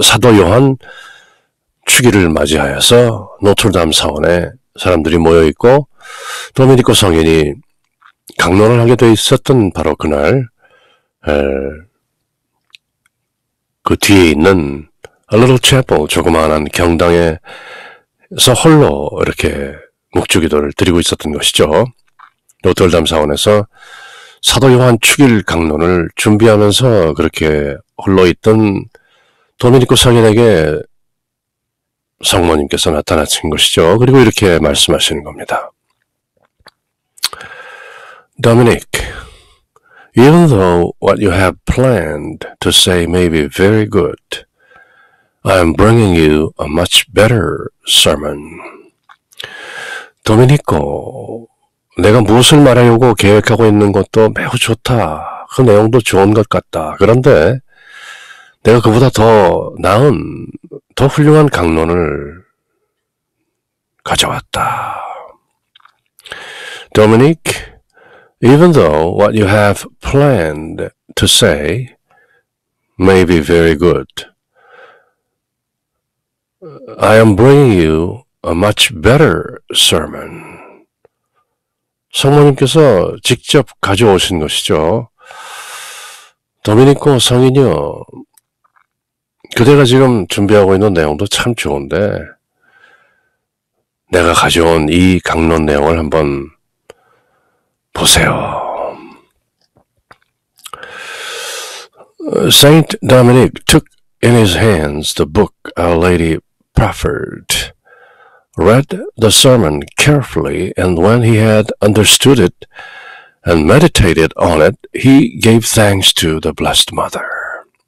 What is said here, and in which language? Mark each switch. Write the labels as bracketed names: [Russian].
[Korean] 사도 요한 축일을 맞이하여서 노트르담 사원에 사람들이 모여 있고 도미니코 성인이 강론을 하게 돼 있었던 바로 그날 그 뒤에 있는 [English] A little chapel, [Korean] 조그마한 경당에서 홀로 이렇게 묵주기도를 드리고 있었던 것이죠. 노트르담 사원에서 사도 요한 축일 강론을 준비하면서 그렇게 홀로 있던 도미니코 성인에게 성모님께서 나타나신 것이죠. 그리고 이렇게 말씀하시는 겁니다. [English] Dominic, even though what you have planned to say may be very good, I am bringing you a much better sermon. [Korean] Dominico, 내가 무엇을 말하려고 계획하고 있는 것도 매우 좋다. 그 내용도 좋은 것 같다. 그런데 내가 그보다 더 나은, 더 훌륭한 강론을 가져왔다. [English] Dominic, even though what you have planned to say may be very good, I am bringing you a much better sermon. [Korean] 성모님께서 직접 가져오신 것이죠. 도미니코 성인이요. 그대가 지금 준비하고 있는 내용도 참 좋은데 내가 가져온 이 강론 내용을 한번 보세요. [English] Saint Dominic took in his hands the book Our Lady proffered, read the sermon carefully, and when he had understood it and meditated on it, he gave thanks to the Blessed Mother.